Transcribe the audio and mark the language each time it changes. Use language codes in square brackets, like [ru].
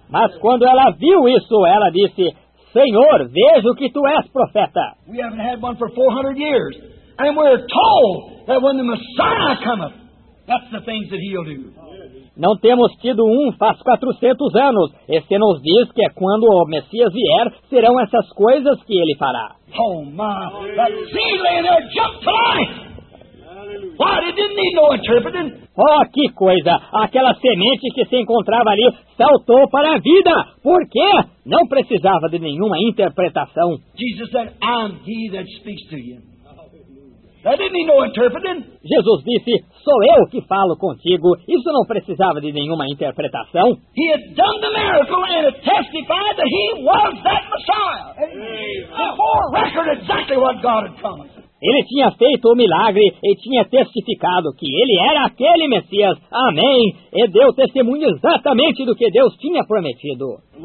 [pt] Mas quando ela viu isso, ela disse, Senhor, vejo que tu és profeta. [en] We haven't had one for 400 years. And we're told that when the Messiah cometh, that's the things that he'll do. [pt] Não temos tido um faz 400 anos. Esse nos diz que é quando o Messias vier, serão essas coisas que ele fará. [en] Oh, my. That seed lay there jumped to life. What? It didn't need no interpreting. [pt] Oh, que coisa! Aquela semente que se encontrava ali saltou para a vida. Por quê? Não precisava de nenhuma interpretação. [en] Jesus said, I'm he that speaks to you. That didn't need no interpreting. [pt] Jesus disse, sou eu que falo contigo. Isso não precisava de nenhuma interpretação. [en] He had done the miracle and it testified that he was that Messiah. Before record exactly what God had promised. [pt] Ele tinha feito o milagre e tinha testificado que ele era aquele Messias. Amém. E deu testemunho exatamente do que Deus tinha prometido.